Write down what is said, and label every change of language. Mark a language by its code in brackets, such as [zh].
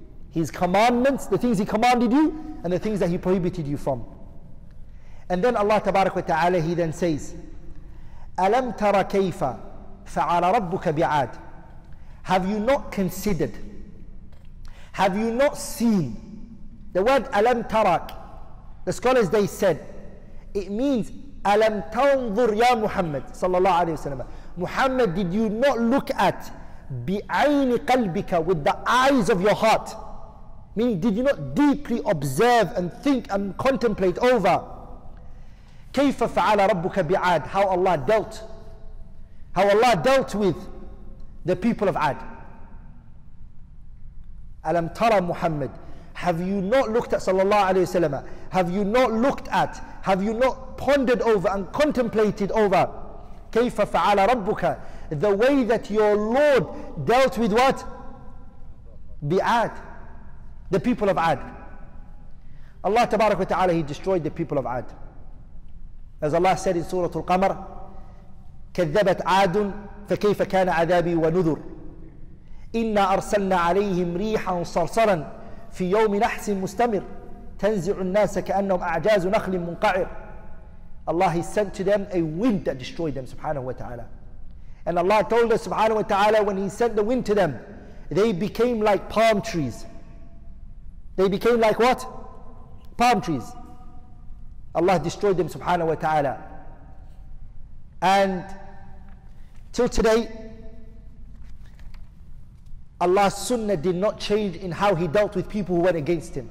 [en] His commandments, the things he commanded you and the things that he prohibited you from. And then Allah Tabarak wa Ta'ala, he then says, [ar] أَلَمْ تَرَ كَيْفَ فَعَلَ رَبُّكَ بِعَادٍ. [en] Have you not considered? Have you not seen? The word [ar] أَلَمْ تَرَك, [en] the scholars they said, it means [ar] أَلَمْ تَنْظُرْ يَا مُحَمَّدٍ صَلَّى اللَّهُ عَلَيْهِ وَسَلَّمَ. [en] Muhammad, did you not look at [ar] بِعَيْنِ قَلْبِكَ, [en] with the eyes of your heart? Meaning, did you not deeply observe and think and contemplate over [ar] كَيْفَ فَعَلَ رَبُّكَ بِعَادٍ, [en] how Allah dealt, how Allah dealt with the people of Ad. [ar] أَلَمْ تَرَ مُحَمَّدْ. [en] Have you not looked at sallallahu alayhi wa sallam? Have you not looked at, have you not pondered over and contemplated over [ar] كَيْفَ فَعَلَ رَبُّكَ, [en] the way that your Lord dealt with what? بِعَاد, the people of Ad. Allah tabarak wa ta'ala, he destroyed the people of Ad. As Allah said in Surah Al-Qamar, [ar] كَذَّبَتْ عَادٌ فَكَيْفَ كَانَ عَذَابِي وَنُذُرُ إِنَّا أَرْسَلْنَا عَلَيْهِمْ رِيحًا صَرْصَرًا فِي يَوْمِ نَحْسٍ مُسْتَمِرٍ تَنْزِعُ النَّاسَ كَأَنَّهُمْ أَعْجَازُ نَخْلٍ مُنْقَعِرٍ. [en] Allah, he sent to them a wind that destroyed them, subhanahu wa ta'ala. And Allah told us, subhanahu wa ta'ala, when he sent the wind to them, they became like palm trees. They became like what? Palm trees. Allah destroyed them, subhanahu wa ta'ala. And till today, Allah's sunnah did not change in how he dealt with people who went against him.